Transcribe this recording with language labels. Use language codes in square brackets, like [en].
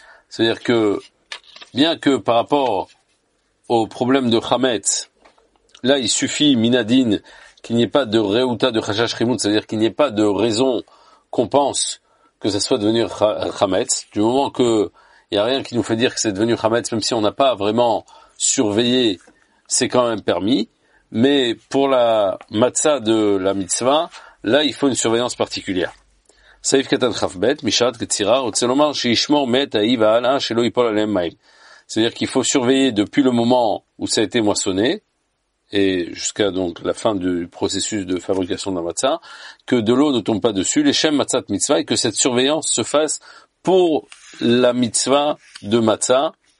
[fr] C'est-à-dire que, bien que par rapport au problème de Chametz, là il suffit, Minadine, qu'il n'y ait pas de Reuta de Chashash Chimut, c'est-à-dire qu'il n'y ait pas de raison qu'on pense que ça soit devenu Chametz, du moment que il n'y a rien qui nous fait dire que c'est devenu Chametz, même si on n'a pas vraiment surveillé, c'est quand même permis, mais pour la Matzah de la mitzvah, là il faut une surveillance particulière. [he] סעיף קטן חפבט, משעת קצירה, רוצה לומר שישמור מת האי והלאה שלא ייפול עליהם מים. [fr] C'est-à-dire qu'il faut surveiller depuis le moment où ça a été moissonné, et jusqu'à donc la fin du processus de fabrication de la matza, que de l'eau ne tombe pas dessus, les shem matzat mitzvah, et que cette surveillance se fasse pour la mitzvah de matza.